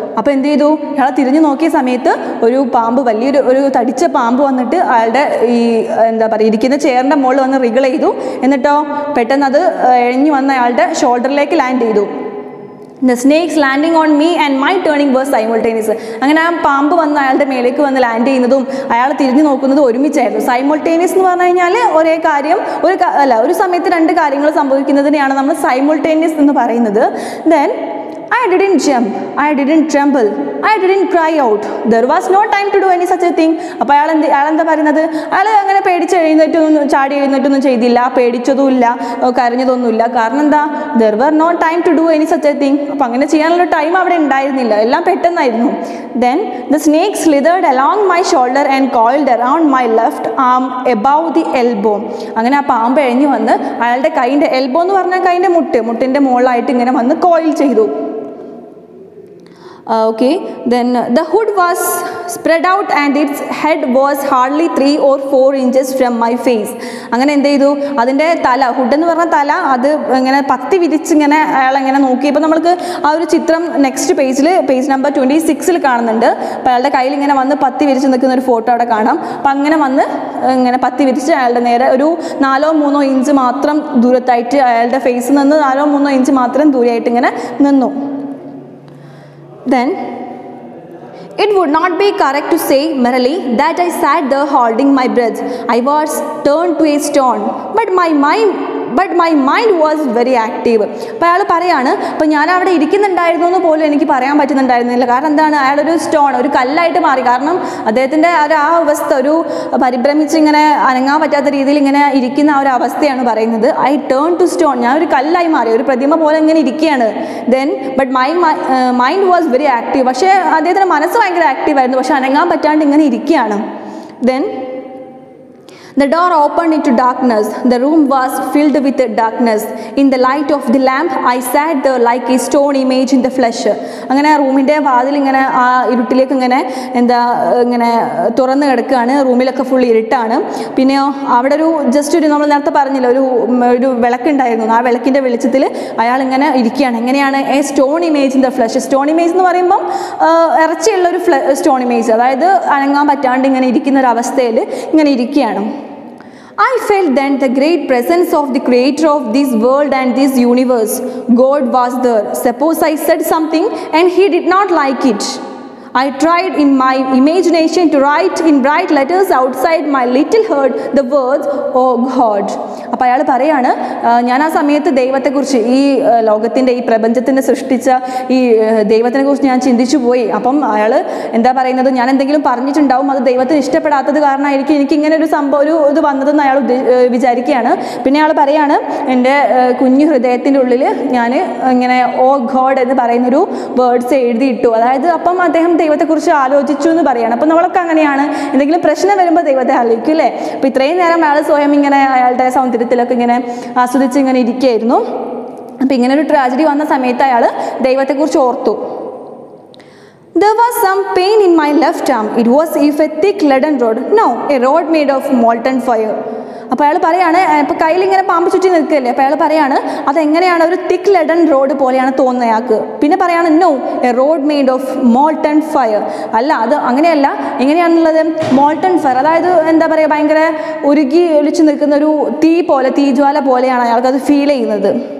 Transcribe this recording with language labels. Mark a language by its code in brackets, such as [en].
[ml] അപ്പോൾ എന്ത് ചെയ്തു, ഇയാൾ തിരിഞ്ഞു നോക്കിയ സമയത്ത് ഒരു പാമ്പ്, വലിയൊരു ഒരു തടിച്ച പാമ്പ് വന്നിട്ട് അയാളുടെ ഈ എന്താ പറയുക, ഇരിക്കുന്ന ചെയറിൻ്റെ മുകളിൽ വന്ന് റിഗിൾ ചെയ്തു. എന്നിട്ടോ പെട്ടെന്ന് അത് എഴിഞ്ഞു വന്ന് അയാളുടെ ഷോൾഡറിലേക്ക് ലാൻഡ് ചെയ്തു. [en] The snake's landing on me and my turning were simultaneous. [ml] അങ്ങനെ ആ പാമ്പ് വന്ന് അയാളുടെ മേലേക്ക് വന്ന് ലാൻഡ് ചെയ്യുന്നതും അയാൾ തിരിഞ്ഞു നോക്കുന്നതും ഒരുമിച്ചായിരുന്നു. സൈമൾട്ടേനിയസ് എന്ന് പറഞ്ഞു കഴിഞ്ഞാൽ ഒരേ കാര്യം, ഒരു സമയത്ത് രണ്ട് കാര്യങ്ങൾ സംഭവിക്കുന്നതിനെയാണ് നമ്മൾ സൈമൾട്ടേനിയസ് എന്ന് പറയുന്നത്. [en] Then I didn't jump, I didn't tremble, I didn't cry out, there was no time to do any such a thing. [ml] അപ്പോൾ അയാളെന്താ പറയുന്നത്, അയാൾ അങ്ങനെ പേടിച്ച് എഴുന്നേറ്റൊന്നും ചാടി എഴുന്നേറ്റൊന്നും ചെയ്തില്ല, പേടിച്ചതുമില്ല, കരഞ്ഞതൊന്നുമില്ല. കാരണം എന്താ, [en] There were no time to do any such a thing. [ml] അപ്പോൾ അങ്ങനെ ചെയ്യാനുള്ള ടൈം അവിടെ ഉണ്ടായിരുന്നില്ല, എല്ലാം പെട്ടെന്നായിരുന്നു. [en] Then the snake slithered along my shoulder and coiled around my left arm above the elbow. [ml] അങ്ങനെ ആ പാമ്പ് എഴിഞ്ഞു വന്ന് അയാളുടെ കൈൻ്റെ എൽബോ എന്ന് പറഞ്ഞാൽ കൈൻ്റെ മുട്ടിൻ്റെ മുകളിലായിട്ട് ഇങ്ങനെ വന്ന് കോയിൽ ചെയ്തു. [en] Okay, then the hood was spread out and its head was hardly 3 or 4 inches from my face. [ml] അങ്ങനെ എന്ത് ചെയ്തു, അതിൻ്റെ തല, ഹുഡ് എന്ന് പറഞ്ഞ തല, അത് ഇങ്ങനെ പത്തി വിരിച്ച് ഇങ്ങനെ അയാൾ ഇങ്ങനെ നോക്കി. ഇപ്പം നമ്മൾക്ക് ആ ഒരു ചിത്രം നെക്സ്റ്റ് പേജിൽ, പേജ് നമ്പർ 26 കാണുന്നുണ്ട്. അപ്പോൾ അയാളുടെ കയ്യിൽ ഇങ്ങനെ വന്ന് പത്തി വിരിച്ച് നിൽക്കുന്ന ഒരു ഫോട്ടോ അവിടെ കാണാം. അപ്പം അങ്ങനെ വന്ന് ഇങ്ങനെ പത്തി വിരിച്ച് അയാളുടെ നേരെ ഒരു 4-3 inches മാത്രം ദൂരത്തായിട്ട് അയാളുടെ ഫേസിൽ നിന്ന് 4-3 inches മാത്രം ദൂരെയായിട്ട് ഇങ്ങനെ നിന്നു. [en] Then it would not be correct to say merely that I sat there holding my breath. I was turned to a stone, but my mind was very active. [ml] അപ്പോൾ അയാൾ പറയുകയാണ്, അപ്പോൾ ഞാൻ അവിടെ ഇരിക്കുന്നുണ്ടായിരുന്നു എന്ന് പോലും എനിക്ക് പറയാൻ പറ്റുന്നുണ്ടായിരുന്നില്ല. കാരണം എന്താണ്, അയാളൊരു സ്റ്റോൺ, ഒരു കല്ലായിട്ട് മാറി. കാരണം അദ്ദേഹത്തിൻ്റെ ആ അവസ്ഥ, ഒരു പരിഭ്രമിച്ച് ഇങ്ങനെ അനങ്ങാൻ പറ്റാത്ത രീതിയിൽ ഇങ്ങനെ ഇരിക്കുന്ന ആ ഒരു അവസ്ഥയാണ് പറയുന്നത്. [en] I turn to stone, [ml] ഞാൻ ഒരു കല്ലായി മാറി, ഒരു പ്രതിമ പോലെ ഇങ്ങനെ ഇരിക്കുകയാണ്. [en] then but mind was very active, [ml] പക്ഷേ അദ്ദേഹത്തിൻ്റെ മനസ്സ് ഭയങ്കര ആക്റ്റീവായിരുന്നു, പക്ഷേ അനങ്ങാൻ പറ്റാണ്ട് ഇങ്ങനെ ഇരിക്കുകയാണ്. [en] Then The door opened into darkness. The room was filled with darkness. In the light of the lamp, I sat there like a stone image in the flesh. [ml] അങ്ങനെ ആ റൂമിൻ്റെ വാതിൽ ഇങ്ങനെ ആ ഇരുട്ടിലേക്ക് ഇങ്ങനെ എന്താ ഇങ്ങനെ തുറന്ന് കിടക്കുകയാണ്. റൂമിലൊക്കെ ഫുൾ ഇരുട്ടാണ്. പിന്നെ അവിടെ ഒരു ജസ്റ്റ് ഒരു, നമ്മൾ നേരത്തെ പറഞ്ഞില്ല, ഒരു വിളക്കുണ്ടായിരുന്നു. ആ വിളക്കിൻ്റെ വെളിച്ചത്തിൽ അയാളിങ്ങനെ ഇരിക്കുകയാണ്. എങ്ങനെയാണ്, [en] A stone image in the flesh. [ml] Stone image എന്ന് പറയുമ്പം ഇറച്ചിയുള്ള ഒരു സ്റ്റോൺ ഇമേജ്, അതായത് അനങ്ങാൻ പറ്റാണ്ട് ഇങ്ങനെ ഇരിക്കുന്ന ഒരു അവസ്ഥയിൽ ഇങ്ങനെ ഇരിക്കുകയാണ്. [en] I felt then the great presence of the creator of this world and this universe. God was there. Suppose I said something and he did not like it. I tried in my imagination to write in bright letters outside my little heart the words, oh God. [ml] അപ്പോൾ അയാൾ പറയുകയാണ്, ഞാൻ ആ സമയത്ത് ദൈവത്തെക്കുറിച്ച്, ഈ ലോകത്തിൻ്റെ, ഈ പ്രപഞ്ചത്തിൻ്റെ സൃഷ്ടിച്ച ഈ ദൈവത്തിനെക്കുറിച്ച് ഞാൻ ചിന്തിച്ചു പോയി. അപ്പം അയാൾ എന്താ പറയുന്നത്, ഞാൻ എന്തെങ്കിലും പറഞ്ഞിട്ടുണ്ടാവും, അത് ദൈവത്തിന് ഇഷ്ടപ്പെടാത്തത് കാരണമായിരിക്കും എനിക്ക് ഇങ്ങനെ ഒരു സംഭവം, ഒരു ഇത് വന്നതെന്ന് അയാൾ വിചാരിക്കുകയാണ്. പിന്നെ അയാൾ പറയുകയാണ്, എൻ്റെ കുഞ്ഞു ഹൃദയത്തിൻ്റെ ഉള്ളിൽ ഞാൻ ഇങ്ങനെ ഓ ഗോഡ് എന്ന് പറയുന്നൊരു വേർഡ്സ് എഴുതിയിട്ടു. അതായത് അപ്പം അദ്ദേഹം ദൈവത്തെക്കുറിച്ച് ആലോചിച്ചു എന്ന് പറയുകയാണ്. അപ്പം നമ്മളൊക്കെ അങ്ങനെയാണ്, എന്തെങ്കിലും പ്രശ്നം വരുമ്പോൾ ദൈവത്തെ അറിയിക്കും അല്ലേ. അപ്പം ഇത്രയും നേരം അയാൾ സ്വയം ഇങ്ങനെ അയാളുടെ സൗന്ദര്യത്തിലൊക്കെ ഇങ്ങനെ ആസ്വദിച്ച് ഇങ്ങനെ ഇരിക്കുകയായിരുന്നു. അപ്പം ഇങ്ങനെ ഒരു ട്രാജഡി വന്ന സമയത്ത് അയാൾ ദൈവത്തെക്കുറിച്ച് ഓർത്തു. [en] There was some pain in my left arm. It was if a thick leaden rod. No, a rod made of molten fire. [ml] അപ്പോൾ അയാൾ പറയുകയാണ്, ഇപ്പോൾ കയ്യിലിങ്ങനെ പാമ്പ് ചുറ്റി നിൽക്കുകയല്ലേ. അപ്പോൾ അയാൾ പറയുകയാണ്, അതെങ്ങനെയാണ് ഒരു [en] thick leaden rod [ml] പോലെയാണ് തോന്നുന്നത് അയാൾക്ക്. പിന്നെ പറയുകയാണ്, [en] No a rod made of molten fire. [ml] അല്ല, അത് അങ്ങനെയല്ല. എങ്ങനെയാണെന്നുള്ളത്, മോൾട്ടൺ ഫയർ അതായത് എന്താ പറയുക, ഭയങ്കര ഉരുകി ഒളിച്ച് നിൽക്കുന്ന ഒരു തീ പോലെ, തീജ്വാല പോലെയാണ് അയാൾക്കത് ഫീൽ ചെയ്യുന്നത്.